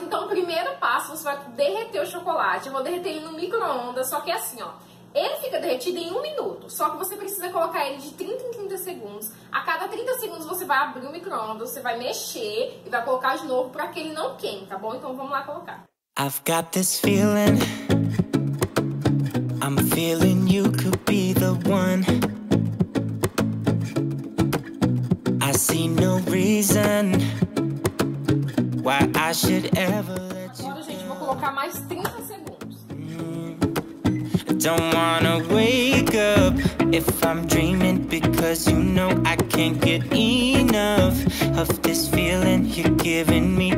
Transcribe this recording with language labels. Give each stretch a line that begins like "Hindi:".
Portuguese: Então, o primeiro passo, você vai derreter o chocolate. Eu vou derreter ele no micro-ondas, só que é assim, ó. Ele fica derretido em um minuto, só que você precisa colocar ele de 30 em 30 segundos. A cada 30 segundos você vai abrir o micro-ondas, você vai mexer e vai colocar de novo pra que ele não queime, tá bom? Então vamos lá colocar.
English: I've got this feeling, I'm feeling you could be the one. I see no reason why I should ever let you.
Portuguese: Agora, gente, vou colocar mais 30 segundos.
English: Don't wanna wake up if I'm dreaming, because you know I can't get enough of this feeling you're giving me.